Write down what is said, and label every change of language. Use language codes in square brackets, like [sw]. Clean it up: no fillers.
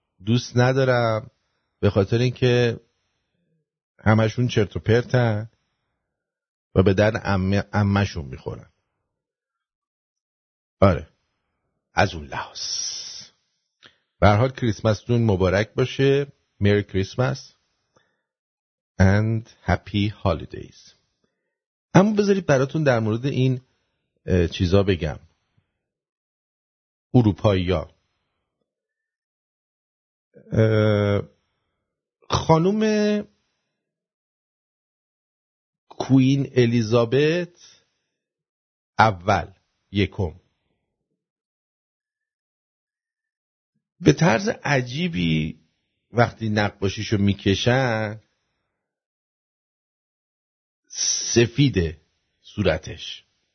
[fa] دوست ندارم به خاطر اینکه همشون چرت و پرتن و به درد عمشون میخورن. آره از اون لحاظ به هر حال کریسمستون مبارک باشه. [en] Merry Christmas and Happy Holidays. [fa] اما بذارید براتون در مورد این چیزا بگم. اروپایی ها خانوم کوین الیزابت اول یکم به طرز عجیبی وقتی نقباشیشو میکشن سفیده صورتش.